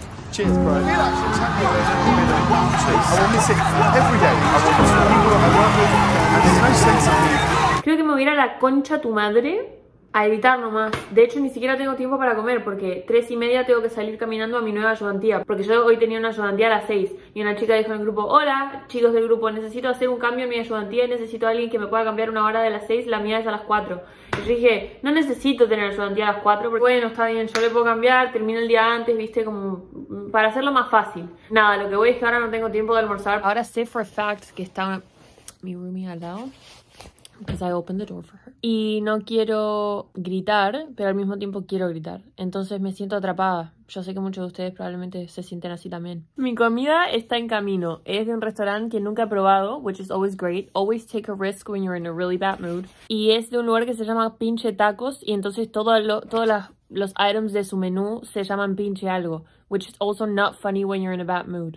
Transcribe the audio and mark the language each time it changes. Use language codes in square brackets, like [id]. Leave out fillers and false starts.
[en] Cheers, bro. I will miss it every day. I will miss people I work with, and there's no sense of it. [es] Creo que me voy a ir a la concha tu madre a editar nomás. De hecho, ni siquiera tengo tiempo para comer porque 3:30 tengo que salir caminando a mi nueva ayudantía. Porque yo hoy tenía una ayudantía a las 6 y una chica dijo en el grupo: hola, chicos del grupo, necesito hacer un cambio en mi ayudantía y necesito a alguien que me pueda cambiar una hora de las 6, la mía es a las 4. Y yo dije, no necesito tener ayudantía a las 4 porque bueno, está bien, yo le puedo cambiar, termino el día antes, viste, como para hacerlo más fácil. Nada, lo que voy es que ahora no tengo tiempo de almorzar. Ahora sé [en] for a fact [es] que está mi roomie al lado. [en] Because I opened the door for her. [es] Y no quiero gritar, pero al mismo tiempo quiero gritar. Entonces me siento atrapada. Yo sé que muchos de ustedes probablemente se sienten así también. Mi comida está en camino. Es de un restaurante que nunca he probado, [en] which is always great. Always take a risk when you're in a really bad mood. [es] Y es de un lugar que se llama Pinche Tacos. Y entonces todos los items de su menú se llaman pinche algo. [en] Which is also not funny when you're in a bad mood.